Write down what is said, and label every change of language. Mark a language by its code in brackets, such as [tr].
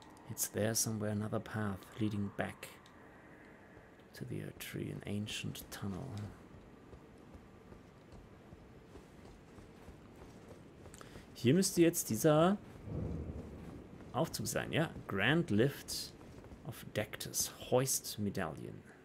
[en] It's there somewhere another path leading back to the tree, an ancient tunnel. [de] Hier müsste jetzt dieser Aufzug sein, ja? [en] Grand Lift of Dectus, Hoist Medallion.